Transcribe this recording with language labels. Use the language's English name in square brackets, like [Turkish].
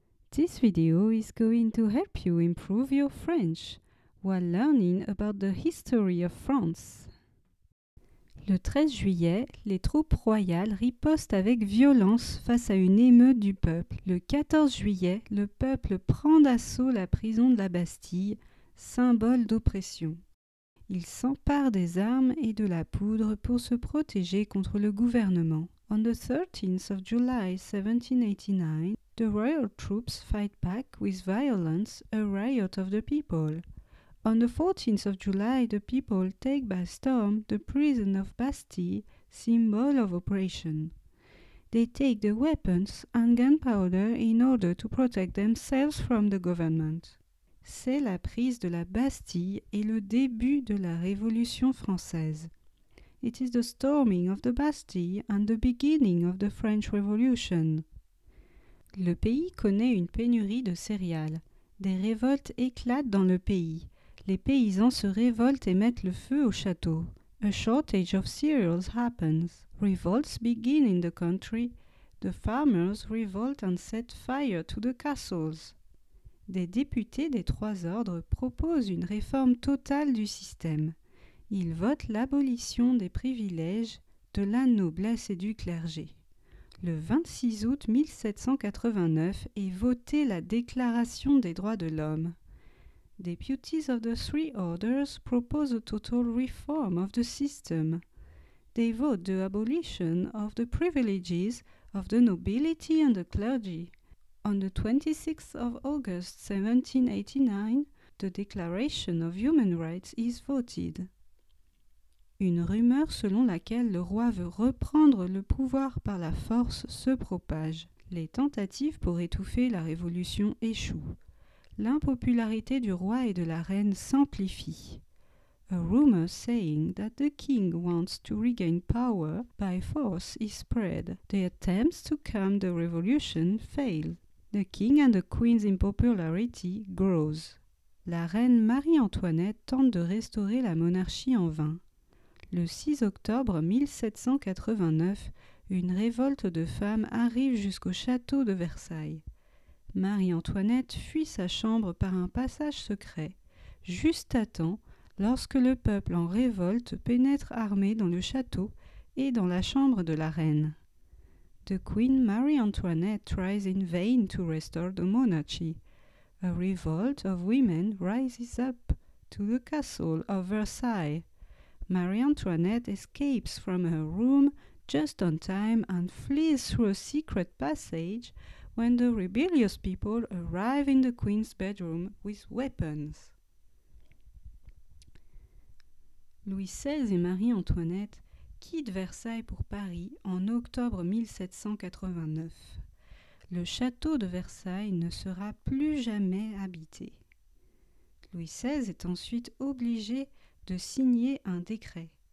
[English] This video is going to help you improve your French while learning about the history of France. [French] Le 13 juillet, les troupes royales ripostent avec violence face à une émeute du peuple. Le 14 juillet, le peuple prend d'assaut la prison de la Bastille, symbole d'oppression. Il s'empare des armes et de la poudre pour se protéger contre le gouvernement. [English] On the 13th of July 1789, the royal troops fight back with violence a riot of the people. On the 14th of July, the people take by storm the prison of Bastille, symbol of oppression. They take the weapons and gunpowder in order to protect themselves from the government. [French] C'est la prise de la Bastille et le début de la Révolution française. [English] It is the storming of the Bastille and the beginning of the French Revolution. [French] Le pays connaît une pénurie de céréales. Des révoltes éclatent dans le pays. Les paysans se révoltent et mettent le feu au château. [English] A shortage of cereals happens. Revolts begin in the country. The farmers revolt and set fire to the castles. [French] Des députés des trois ordres proposent une réforme totale du système. Ils votent l'abolition des privilèges de la noblesse et du clergé. Le 26 août 1789 est votée la Déclaration des droits de l'homme. [English] Deputies of the three orders propose a total reform of the system. They vote the abolition of the privileges of the nobility and the clergy. On the 26th of August 1789, the Declaration of Human Rights is voted. [French] Une rumeur selon laquelle le roi veut reprendre le pouvoir par la force se propage. Les tentatives pour étouffer la révolution échouent. L'impopularité du roi et de la reine s'amplifie. [English] A rumor saying that the king wants to regain power by force is spread. The attempts to calm the revolution fail. The king and the queen's impopularity grows. [French] La reine Marie-Antoinette tente de restaurer la monarchie en vain. Le 6 octobre 1789, une révolte de femmes arrive jusqu'au château de Versailles. Marie-Antoinette fuit sa chambre par un passage secret. Juste à temps, lorsque le peuple en révolte pénètre armé dans le château et dans la chambre de la reine. [English] The Queen Marie Antoinette tries in vain to restore the monarchy. A revolt of women rises up to the castle of Versailles. Marie Antoinette escapes from her room just on time and flees through a secret passage when the rebellious people arrive in the Queen's bedroom with weapons. [French] Louis XVI et Marie Antoinette quitte Versailles pour Paris en octobre 1789. Le château de Versailles ne sera plus jamais habité. Louis XVI est ensuite obligé de signer un décret.